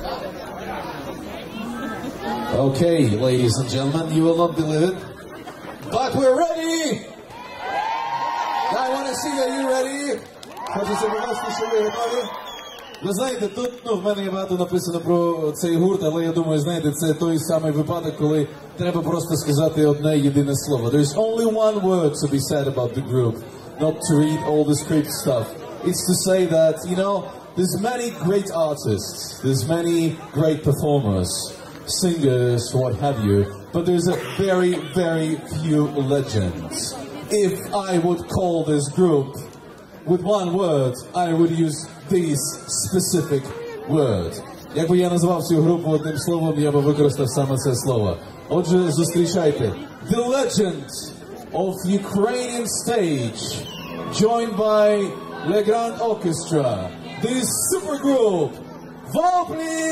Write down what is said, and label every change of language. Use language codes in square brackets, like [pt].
[en] Okay, ladies and gentlemen, you will not believe it, but we're ready! I want to see, are you ready? [uk] Хочу, щоб у вас пішли, готові? Ви знаєте, тут, ну, в мене є багато написано про цей гурт, але я думаю, знаєте, це той самий випадок, коли треба просто сказати одне єдине слово. [en] There is only one word to be said about the group, not to read all the script stuff. It's to say that, you know, there's many great artists, there's many great performers, singers, what have you, but there's a very, very few legends. If I would call this group with one word, I would use this specific word. [uk] Якби я назвав цю групу одним словом, я би використав саме це слово. Отже, зустрічайте. [en] The legend of Ukrainian stage, joined by Le Grand Orchestra, this super group, Вопли!